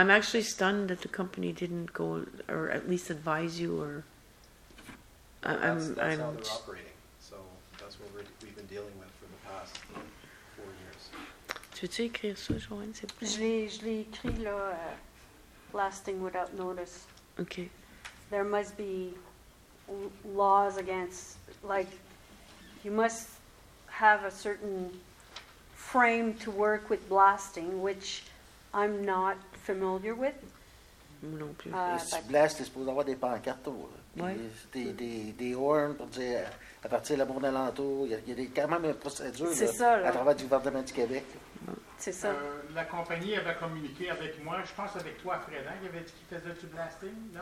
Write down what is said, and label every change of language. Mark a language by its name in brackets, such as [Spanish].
[English] I'm actually stunned that the company didn't go or at least advise you or that's I'm how they're operating, so that's what we've been dealing with for the past 4 years. [French] Tu veux-tu écrire ça, Joanne, s'il te plaît? Je l'ai écrit là, [English] blasting without notice. [French] Okay. [English] There must be laws against, like, you must have a certain frame to work with blasting, which I'm not familiar with. [French] Non plus. Si tu blastes, t'es supposé avoir des pancartes. Oui. Des horns pour dire à partir de la bourne alentour. Il y a quand même une procédure c'est là, ça, là. À travers du gouvernement du Québec. C'est ça. La compagnie avait communiqué avec moi, je pense avec toi, Fred, hein, il avait dit qu'il faisait du blasting, non?